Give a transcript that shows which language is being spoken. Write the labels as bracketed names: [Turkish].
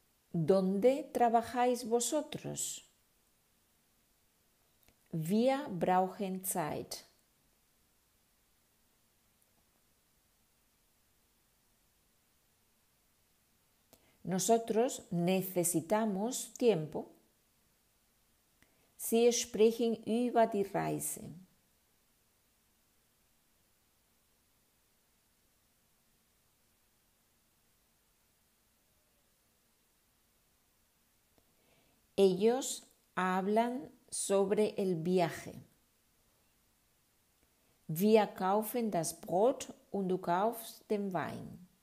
[Spanish] ¿Dónde trabajáis vosotros? [German] Wir brauchen Zeit. [Spanish] Nosotros necesitamos tiempo. [German] Sie sprechen über die Reise. [Spanish] Ellos hablan sobre el viaje. [German] Wir kaufen das Brot und du kaufst den Wein.